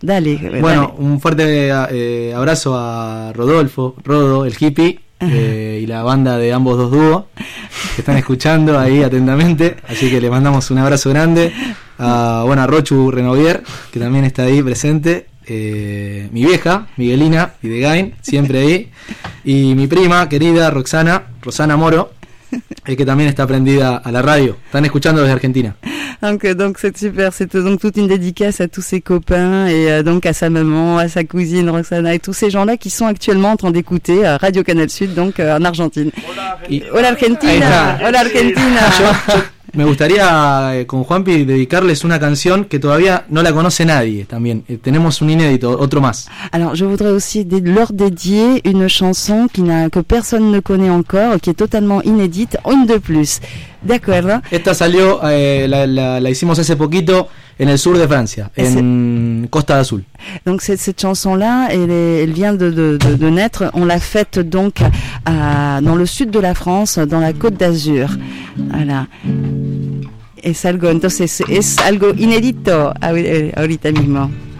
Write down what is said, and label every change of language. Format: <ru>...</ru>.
<es>D'aller. Bueno, d'aller. Un fuerte abrazo a Rodolfo, Rodo, el hippie. Y la banda de ambos dos dúos que están escuchando ahí atentamente, así que le mandamos un abrazo grande a, bueno, a Rochu Renovier, que también está ahí presente, mi vieja Miguelina Videgain, siempre ahí, y mi prima querida Roxana, Rosana Moro, que también está prendida a la radio, están escuchando desde Argentina.</es> <fr>Donc c'est super, c'est donc toute une dédicace à tous ses copains et donc à sa maman, à sa cousine Roxana et tous ces gens-là qui sont actuellement en train d'écouter Radio Canal Sud donc en Argentine.</fr> <es>Hola Argentina, hola Argentina. Me gustaría con Juanpi dedicarles una canción que todavía no la conoce nadie también. Tenemos un inédito, otro más.</es> <fr>Alors, je voudrais aussi leur dédier une chanson que personne ne connaît encore, qui est totalement inédite, une de plus. D'accord.</fr> <es>Esta salió, la hicimos hace poquito en el sur de Francia, en Costa Azul.</es> <fr>Donc cette chanson-là, elle vient de naître, on l'a faite donc dans le sud de la France, dans la Côte d'Azur. Voilà.</fr> <es>Es algo, entonces, es algo inédito ahorita mismo.</es>